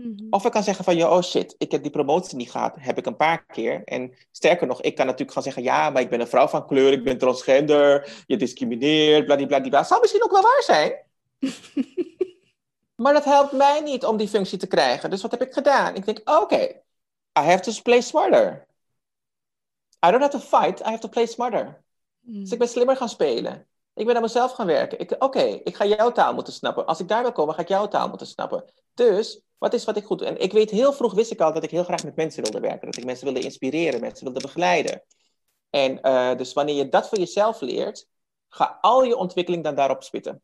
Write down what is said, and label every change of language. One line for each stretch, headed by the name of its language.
Dutch: Of ik kan zeggen van, joh, oh shit, ik heb die promotie niet gehad, heb ik een paar keer. En sterker nog, ik kan natuurlijk gaan zeggen, ja, maar ik ben een vrouw van kleur, ik ben transgender, je discrimineert, bladibladibla. Zou misschien ook wel waar zijn. Maar dat helpt mij niet om die functie te krijgen. Dus wat heb ik gedaan? Ik denk, oké,
English: I have to play smarter. I don't have to fight, I have to play smarter.
Dutch: Dus ik ben slimmer gaan spelen. Ik ben aan mezelf gaan werken. Oké, ik ga jouw taal moeten snappen. Als ik daar wil komen, ga ik jouw taal moeten snappen. Dus, wat is wat ik goed doe? En ik weet, heel vroeg wist ik al dat ik heel graag met mensen wilde werken. Dat ik mensen wilde inspireren, mensen wilde begeleiden. En dus wanneer je dat voor jezelf leert, ga al je ontwikkeling dan daarop spitten.